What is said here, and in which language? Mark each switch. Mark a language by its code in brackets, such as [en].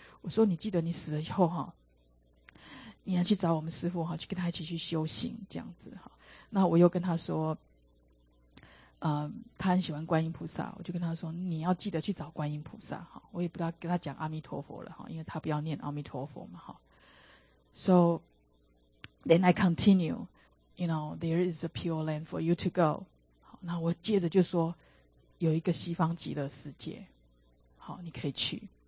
[zh] 我说你记得你死了以后哈，你要去找我们师父哈，去跟他一起去修行这样子哈。那我又跟他说。他很喜欢观音菩萨，我就跟他说你要记得去找观音菩萨，我也不知道跟他讲阿弥陀佛了，因为他不要念阿弥陀佛嘛。 [en] So then I continue, you know, there is a pure land for you to go. [zh] 好，那我接着就说有一个西方极乐世界，好，你可以去。